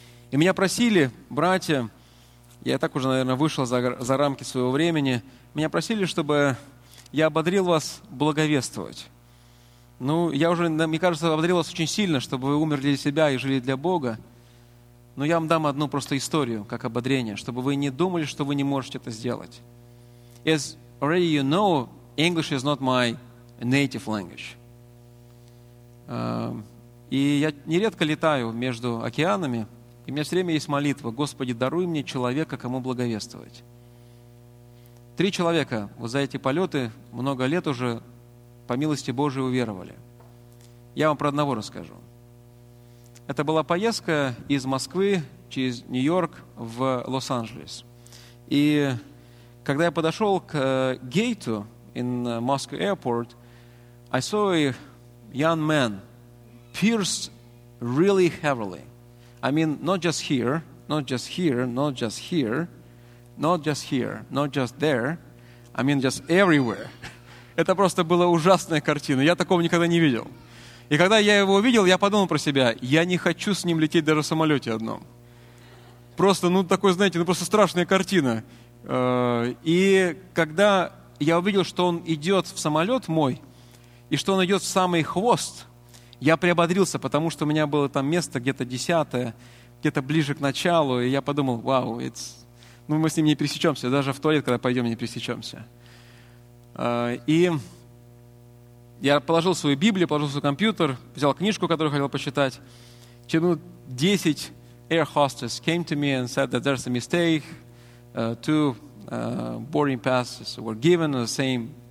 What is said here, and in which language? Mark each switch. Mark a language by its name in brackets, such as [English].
[Russian] И меня просили, братья, я так уже, наверное, вышел за рамки своего времени, меня просили, чтобы я ободрил вас благовествовать. Ну, я уже, мне кажется, ободрил вас очень сильно, чтобы вы умерли для себя и жили для Бога. Но я вам дам одну просто историю, как ободрение, чтобы вы не думали, что вы не можете это сделать. [English] As already you know, English is not my native language. [Russian] И я нередко летаю между океанами, и у меня все время есть молитва: «Господи, даруй мне человека, кому благовествовать». Три человека вот за эти полеты много лет уже по милости Божией уверовали. Я вам про одного расскажу. Это была поездка из Москвы через Нью-Йорк в Лос-Анджелес. И когда я подошел к гейту [English] in Moscow Airport, I saw a young man pierced really heavily. I mean, not just here, not just here, not just here, not just here, not just there. I mean, just everywhere. [Russian] Это просто была ужасная картина. Я такого никогда не видел. И когда я его увидел, я подумал про себя: я не хочу с ним лететь даже в самолете одном. Просто, ну, такой, знаете, ну, просто страшная картина. И когда я увидел, что он идет в самолет мой, и что он идет в самый хвост, я приободрился, потому что у меня было там место где-то десятое, где-то ближе к началу, и я подумал: вау, ну, мы с ним не пересечемся, даже в туалет, когда пойдем, не пересечемся. И я положил свою Библию, положил свой компьютер, взял книжку, которую хотел почитать. Через минут 10 [English] air hostess came to me and said that there's a mistake. Two boarding passes were given on the same